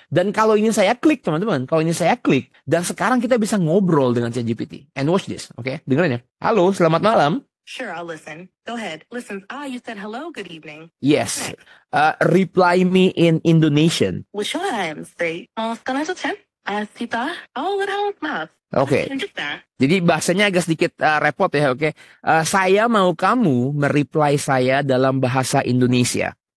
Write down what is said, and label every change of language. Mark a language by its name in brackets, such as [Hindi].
[Indonesian] Dan kalau ini saya klik, teman-teman, kalau ini saya klik, dan sekarang kita bisa ngobrol dengan ChatGPT. [English] And watch this, [Indonesian] oke? Okay? Dengerin ya. Halo, selamat malam. [English] Sure, I'll listen. Go ahead, listen. Ah, you said hello, good evening. Yes. Reply me in Indonesian. Which one I am straight? [Indonesian] Sekarang itu 10? Asita? [English] Oh, what the hell is that? [Indonesian] Oke. Jadi bahasanya agak sedikit repot ya, oke. Saya mau kamu mereply saya dalam bahasa Indonesia.